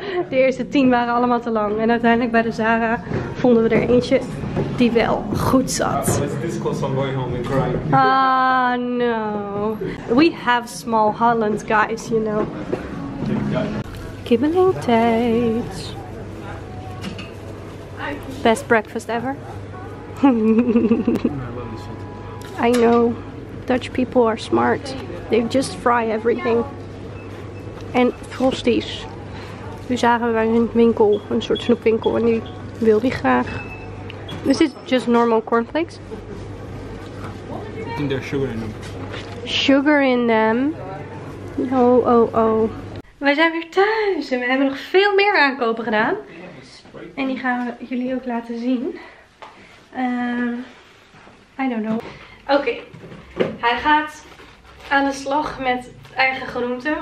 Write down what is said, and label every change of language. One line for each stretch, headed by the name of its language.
Dutch: De eerste 10 waren allemaal te lang en uiteindelijk bij de Zara vonden we er eentje die wel goed zat.
English: It's this close on going home and crying. Ah, no. We have small Holland guys, you know.
Dutch: Kibbeling tijd.
English: Best breakfast ever. I know. Dutch people are smart. They just fry everything.
Dutch: En frosties. Nu zagen we bij een winkel, een soort snoepwinkel, en die wil die graag.
English: This is just normal cornflakes. And there's sugar in them. Sugar in them. Oh, oh, oh.
Dutch: Wij zijn weer thuis en we hebben nog veel meer aankopen gedaan. En die gaan we jullie ook laten zien.
English: I don't know.
Dutch: Oké. Hij gaat aan de slag met eigen groenten.